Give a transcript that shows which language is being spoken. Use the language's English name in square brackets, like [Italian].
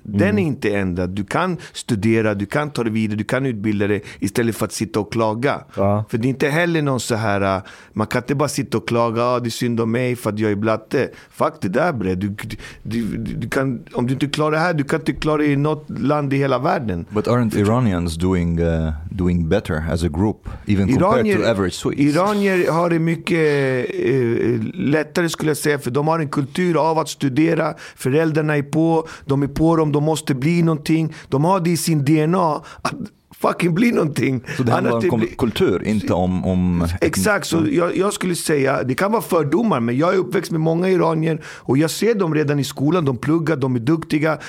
[Swedish] Den är inte ändrad. Du kan studera, du kan ta det vidare, du kan utbilda dig istället för att sitta och klaga. Ja. För det är inte heller någon så här, man kan inte bara sitta och klaga, det är synd om mig för att jag är blatte. Fuck det där bre. Du kan, om du inte klarar det här, du kan inte klara det i något land i hela världen. [English] But aren't Iranians doing better as a group, even compared to average Swedes? [Swedish] Iranier har det mycket lättare skulle jag säga, för de har en kultur av att studera. Föräldrarna är på, de är på dem, de måste bli någonting. De har det i sin DNA att fucking bli någonting. Så det handlar om kultur, inte om exakt, så jag skulle säga, det kan vara fördomar, men jag är uppväxt med många iranier och jag ser dem redan i skolan, de pluggar, de är duktiga.